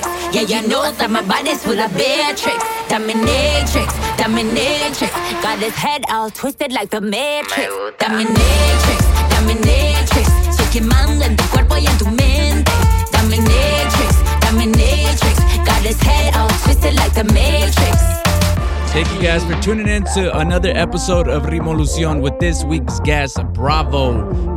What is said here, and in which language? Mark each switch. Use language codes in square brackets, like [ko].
[en] Yeah, you know that my body's full of Beatrix. Dominatrix, dominatrix. Got his head all twisted like the Matrix. Dominatrix, dominatrix. [es] Soy quien manda en tu cuerpo y en tu mente. [en] Dominatrix, dominatrix. Got his head all twisted like the Matrix. Thank you guys for tuning in to another episode of Rimolucion with this week's guest, Bravo.